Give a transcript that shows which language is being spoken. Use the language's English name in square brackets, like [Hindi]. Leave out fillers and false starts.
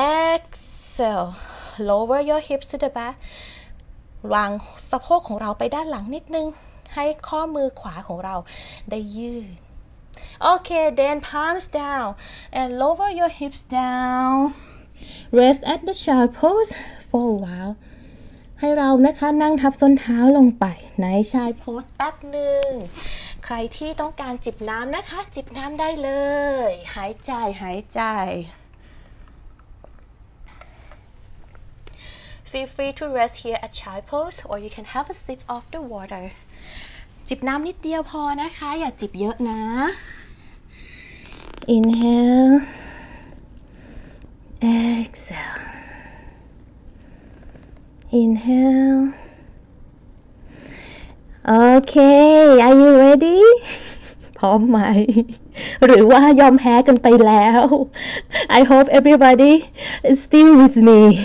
[Thai] exhale lower your hips to the back วางสะโพกของเราไปด้านหลังนิดนึงให้ข้อมือขวาของเราได้ยืดโอเค then palms down and lower your hips down rest at the child pose for a while ให้เรานะคะนั่งทับส้นเท้าลงไปใน child pose แป๊บหนึ่งใครที่ต้องการจิบน้ำนะคะจิบน้ำได้เลยหายใจหายใจ [English] Feel free to rest here at Chai Post or you can have a sip of the water. [Thai] จิบน้ำนิดเดียวพอนะคะอย่าจิบเยอะนะ Inhale. [English] Exhale. Inhale. Okay, are you ready? พร้อมไหมหรือว่ายอมแพ้กันไปแล้ว I hope everybody is still with me.